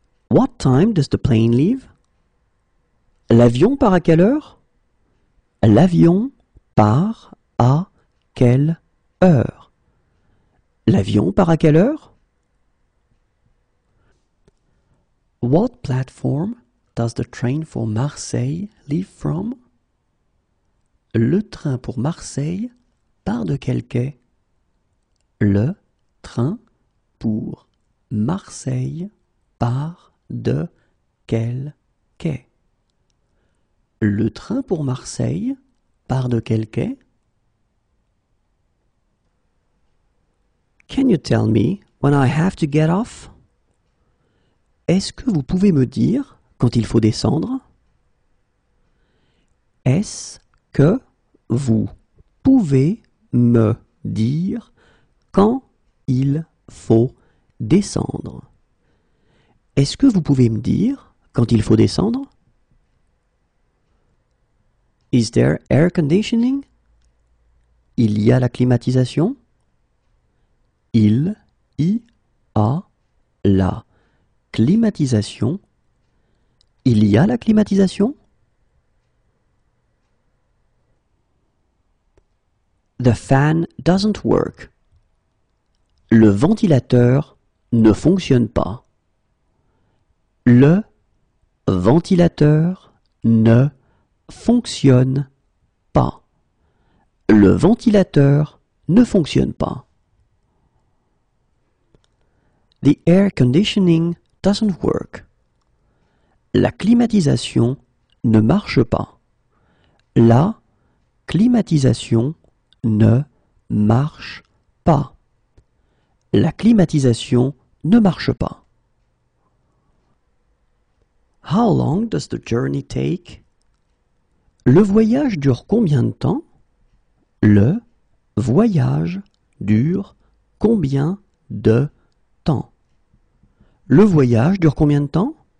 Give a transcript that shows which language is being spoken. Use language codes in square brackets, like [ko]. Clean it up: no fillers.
[en] What time does the plane leave? [fr] L'avion part à quelle heure? L'avion part à quelle heure? L'avion part à quelle heure? [en] What platform does the train for Marseille leave from? [fr] Le train pour Marseille part de quel quai? Le train pour Marseille part de quel quai? Le train pour Marseille part de quel quai? [en] Can you tell me when I have to get off? [fr] Est-ce que vous pouvez me dire quand il faut descendre? Est-ce que vous pouvez me dire quand il faut descendre? Est-ce que vous pouvez me dire quand il faut descendre? [en] Is there air conditioning? [fr] Il y a la climatisation? Il y a la climatisation. Il y a la climatisation? [en] The fan doesn't work. [fr] Le ventilateur ne fonctionne pas. Le ventilateur ne fonctionne pas. Le ventilateur ne fonctionne pas. [en] The air conditioning doesn't work. [fr] La climatisation ne marche pas. La climatisation ne marche pas. La climatisation ne marche pas. [en] How long does the journey take? [fr] Le voyage dure combien de temps? Le voyage dure combien de temps? Le voyage dure combien de temps?